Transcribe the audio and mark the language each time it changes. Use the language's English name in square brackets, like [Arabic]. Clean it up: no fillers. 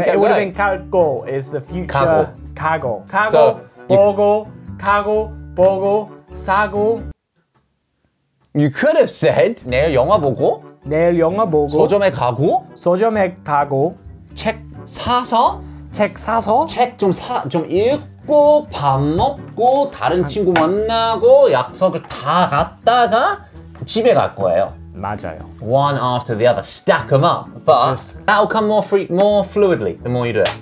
[English] It would have been [Korean] 갈 거 [English] is the future. [Korean] 가고. 가고. 가고, 보고, 가고, 보고, 사고. You could have said 내일 영화 보고. 내일 영화 보고. 서점에 가고. 서점에 가고. 책 사서. 책 좀 읽고. 먹고 밥 먹고 다른 친구 만나고 약속을 다 갔다가 집에 갈 거예요. 맞아요. [English] One after the other, stack them up. But that'll come more fluidly the more you do it.